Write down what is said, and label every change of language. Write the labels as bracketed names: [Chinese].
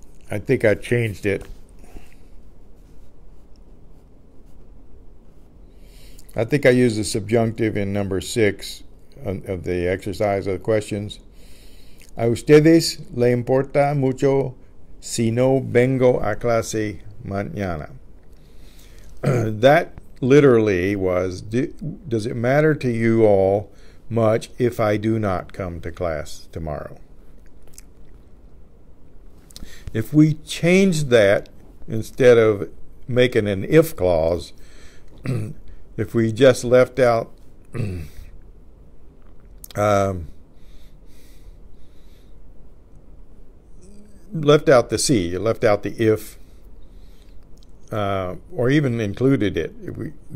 [English] I think I changed it. I think I used the subjunctive in number 6 of the exercise of the questions. [Spanish] A ustedes le importa mucho si no vengo a clase mañana. [English] That literally was, does it matter to you all much if I do not come to class tomorrow? If we change that, instead of making an if clause, if we just left out left out the if, or even included it.